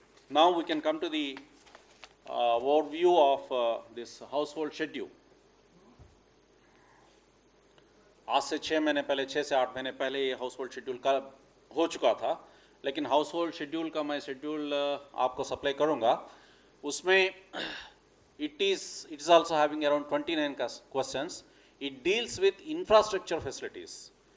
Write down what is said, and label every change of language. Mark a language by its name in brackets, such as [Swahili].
[English] Now we can come to the overview of this household schedule. [Hindi] आज से छः महीने पहले, छः से आठ महीने पहले ये household schedule का हो चुका था, लेकिन household schedule का मैं schedule आपको supply करूँगा. उसमें [English] it is also having around 29 questions. It deals with infrastructure facilities.